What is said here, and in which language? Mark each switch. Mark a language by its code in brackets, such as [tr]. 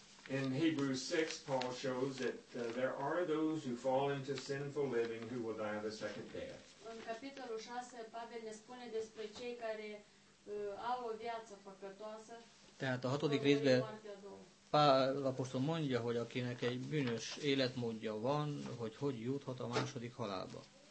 [en] In Hebrews 6, Paul shows that there are those who fall into sinful living who will die the second death. [ro] În capitolul 6, Pavel ne spune despre cei care au o viață păcătoasă. [hu] Tehát a hatodik részben Pál apostol mondja, hogy akinek egy bűnös életmódja van, hogy juthat a második halálba.